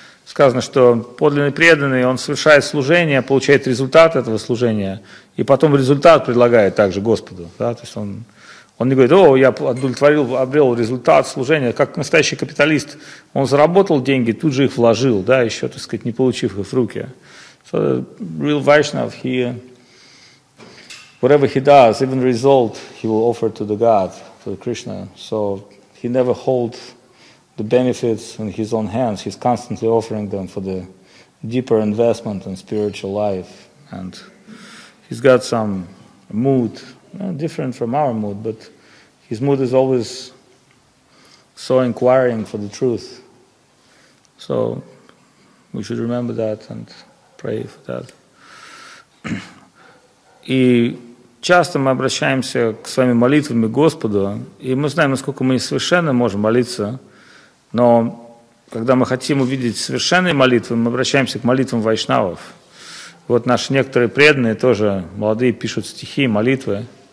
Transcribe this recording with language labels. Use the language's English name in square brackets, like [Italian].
[Russian] Сказано, что подлинный преданный, он совершает служение, получает результат этого служения, и потом результат предлагает также Господу. Да? То есть он не говорит, о, я удовлетворил, обрел результат служения. Как настоящий капиталист, он заработал деньги, тут же их вложил, да, еще, так сказать, не получив их в руки. [English] So, real Vaishnav, he, whatever he does, even result, he will offer to the God, to the Krishna. So, he never holds the benefits in his own hands. He's constantly offering them for the deeper investment in spiritual life. And he's got some mood, different from our mood, but his mood is always so inquiring for the truth. So we should remember that and pray for that. [Russian] И часто мы обращаемся к своими молитвами к Господу, и мы знаем, насколько мы совершенно можем молиться. Но когда мы хотим увидеть совершенные молитвы, мы обращаемся к молитвам вайшнавов. Вот наши некоторые преданные тоже, молодые, пишут стихи, молитвы.